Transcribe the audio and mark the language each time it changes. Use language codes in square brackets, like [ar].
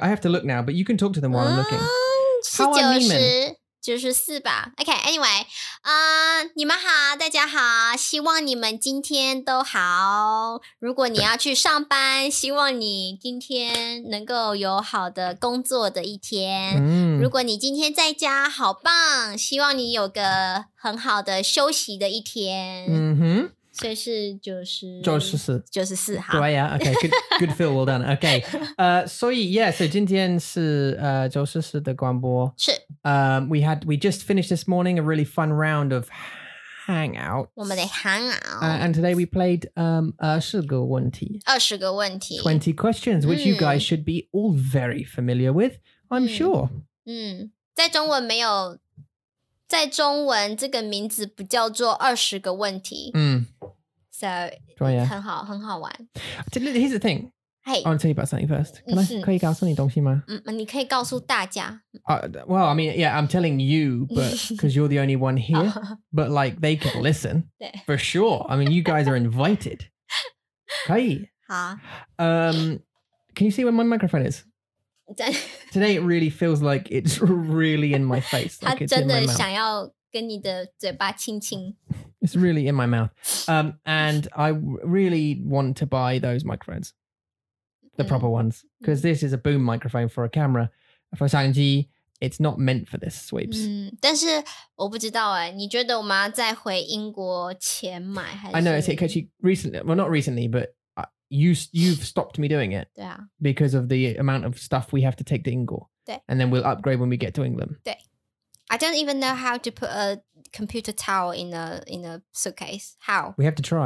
[en] I have to look now, but you can talk to them while I'm looking. [zh] 是九十。就是四吧 [en] OK anyway [zh] 你们好大家好希望你们今天都好如果你要去上班希望你今天能够有好的工作的一天、如果你今天在家好棒希望你有个很好的休息的一天嗯哼所以是九十九十四九十四 [en] 好 Right, yeah, OK good, good feel, well done OK 所以 yeah [zh] 所以今天是九十四的广播是 [en] We just finished this morning a really fun round of hangout. [zh] 我们的 hangout. [en] And today we played [zh] 20个问题. 20个问题. [en] 20 questions, which you guys should be all very familiar with, I'm sure. [zh] 在中文没有，在中文这个名字不叫做20个问题。 [en] So, [zh] 很好，很好玩。 [en] Here's the thing. Hey, I want to tell you about something first. Can I, [zh] 可以告诉你东西吗？你可以告诉大家。 [en] Well, I mean, yeah, I'm telling you, but because you're the only one here, but like they can listen for sure. I mean, you guys are invited. [zh] 可以。好。 [en] Can you see where my microphone is? Today, it really feels like it's really in my face. [zh] 他真的想要跟你的嘴巴亲亲。 [en] It's really in my mouth. And I really want to buy those microphones. The proper ones. Because this is a boom microphone for a camera. For 相机, it's not meant for this, Sweeps. [zh] 但是我不知道诶,你觉得我们要再回英国前买还是? [en] I know, it's actually recently, well not recently, but you've stopped me doing it. [zh] 对啊。 [en] Because of the amount of stuff we have to take to Ingo. [zh] 对。 [en] And then we'll upgrade when we get to England. [zh] 对。 [en] I don't even know how to put a computer towel in a suitcase. How? We have to try.